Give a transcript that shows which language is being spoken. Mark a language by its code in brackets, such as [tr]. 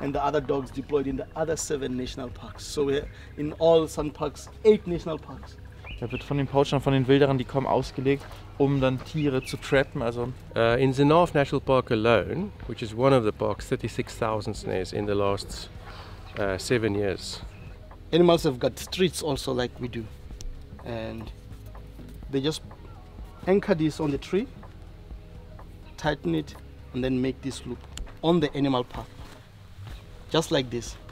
[en] and the other dogs deployed in the other 7 national parks. So we're in all Sun Parks, 8 national parks. [de] Da wird von den Poachern, von den Wilderern, die kommen, ausgelegt, um dann Tiere zu trappen. Also [en] In the North National Park alone, which is one of the parks, 36,000 snares in the last 7 years. Animals have got streets also like we do. And they just anchor this on the tree, tighten it, and then make this loop on the animal path. Just like this.